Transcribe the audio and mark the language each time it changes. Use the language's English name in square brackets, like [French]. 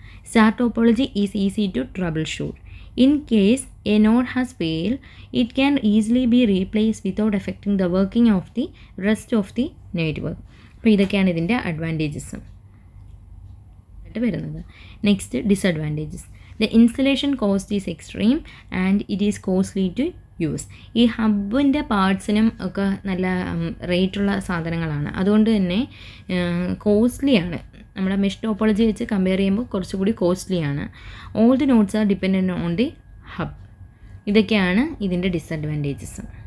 [English] Star topology is easy to troubleshoot. In case a node has failed it can easily be replace without affecting the working of the rest of the network. [Malayalam] അപ്പോൾ ഇതൊക്കെയാണ് ഇതിൻ്റെ advantages ആയിട്ട് വരുന്നത്. Next disadvantages: [English] The insulation cost is extreme and it is costly to use. [Malayalam] ഈ ഹബ്ബിൻ്റെ പാർട്സിനും ഒക്കെ നല്ല റേറ്റുള്ള സാധനങ്ങളാണ്. അതുകൊണ്ട് തന്നെ കോസ്റ്റ്ലിയാണ്. നമ്മുടെ മെഷ് ടോപ്പോളജി വെച്ച് കമ്പയർ ചെയ്യുമ്പോൾ കുറച്ചുകൂടി കോസ്റ്റ്ലിയാണ്. [English] All the nodes are dependent on the hub. [Malayalam] ഇതൊക്കെയാണ് ഇതിൻ്റെ ഡിസഡ്വാൻറ്റേജസ്.